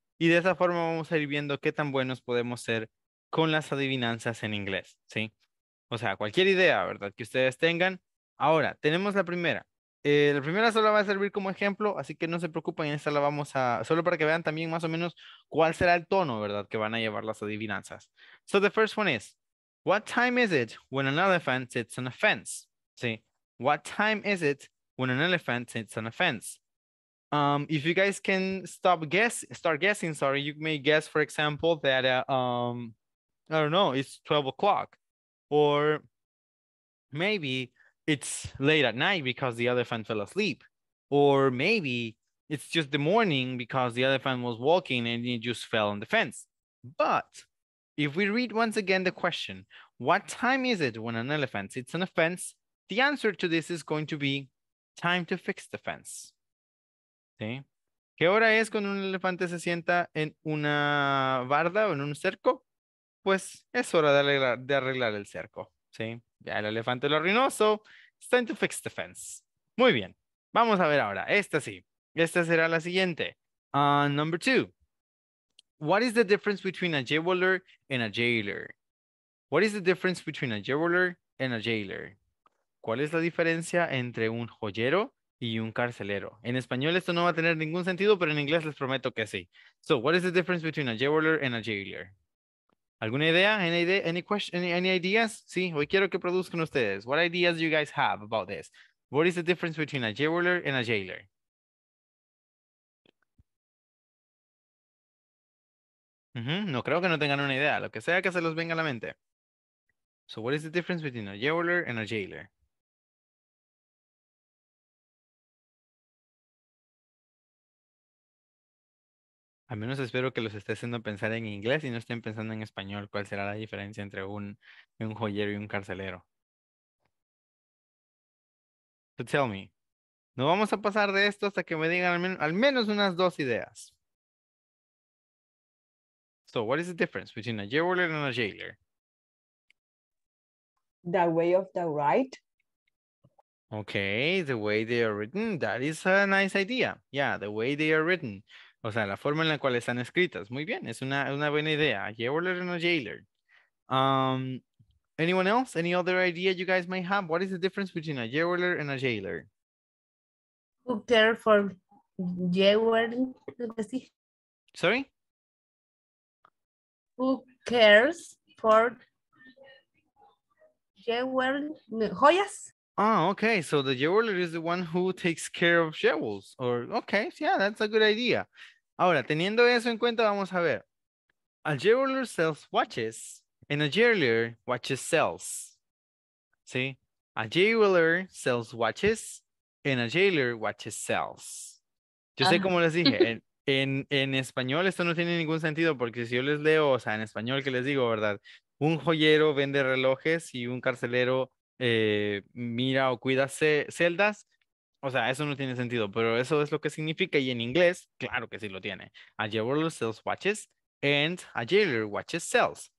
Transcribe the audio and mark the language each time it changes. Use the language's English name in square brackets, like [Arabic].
[Spanish] Y de esa forma vamos a ir viendo qué tan buenos podemos ser con las adivinanzas en inglés, ¿sí? O sea, cualquier idea, ¿verdad?, que ustedes tengan. Ahora, tenemos la primera. La primera solo va a servir como ejemplo, así que no se preocupen, esta la vamos a... Solo para que vean también más o menos cuál será el tono, ¿verdad?, que van a llevar las adivinanzas. [English] So the first one is, what time is it when an elephant sits on a fence? [Spanish] ¿Sí? [English] What time is it when an elephant sits on a fence? If you guys can start guessing, sorry, you may guess, for example, that, I don't know, it's 12 o'clock. Or maybe it's late at night because the elephant fell asleep. Or maybe it's just the morning because the elephant was walking and it just fell on the fence. But if we read once again the question, what time is it when an elephant sits on a fence? The answer to this is going to be time to fix the fence. [Spanish] ¿Qué hora es cuando un elefante se sienta en una barda o en un cerco? Pues es hora de arreglar el cerco, ¿sí? Ya el elefante lo arruinó, [English] so it's time to fix the fence. [Spanish] Muy bien, vamos a ver ahora, esta sí, esta será la siguiente. [English] Number two, what is the difference between a jeweler and a jailer? What is the difference between a jeweler and a jailer? [Spanish] ¿Cuál es la diferencia entre un joyero y un carcelero? En español esto no va a tener ningún sentido, pero en inglés les prometo que sí. [English] So, what is the difference between a jeweler and a jailer? [Spanish] ¿Alguna idea? [English] Any ideas? [Spanish] Sí, hoy quiero que produzcan ustedes. [English] What ideas do you guys have about this? What is the difference between a jeweler and a jailer? [Spanish] No creo que no tengan una idea. Lo que sea que se los venga a la mente. [English] So, what is the difference between a jeweler and a jailer? [Spanish] Al menos espero que los esté haciendo pensar en inglés y no estén pensando en español. ¿Cuál será la diferencia entre un joyero y un carcelero? [English] So tell me. [Spanish] No vamos a pasar de esto hasta que me digan al menos unas dos ideas. [English] So, what is the difference between a jeweler and a jailer? The way of the write. Okay, the way they are written. That is a nice idea. Yeah, the way they are written. [Spanish] O sea, la forma en la cual están escritas. Muy bien, es una buena idea. [English] A jeweler and a jailer. Anyone else? Any other idea you guys might have? What is the difference between a jeweler and a jailer? Who cares for jeweler? Sorry? Who cares for jeweler? Joyas? Oh, okay. So the jeweler is the one who takes care of jewels. Or, okay, yeah, that's a good idea. [Spanish] Ahora, teniendo eso en cuenta, vamos a ver. [English] A jeweler sells watches and a jailer watches sells. [Spanish] ¿Sí? [English] A jeweler sells watches and a jailer watches sells. [Spanish] Yo sé cómo les dije. En español esto no tiene ningún sentido porque si yo les leo, o sea, en español, ¿qué les digo, verdad? Un joyero vende relojes y un carcelero mira o cuida celdas. O sea, eso no tiene sentido, pero eso es lo que significa. Y en inglés, claro que sí lo tiene. [English] A jeweler sells watches and a jeweler watches sells.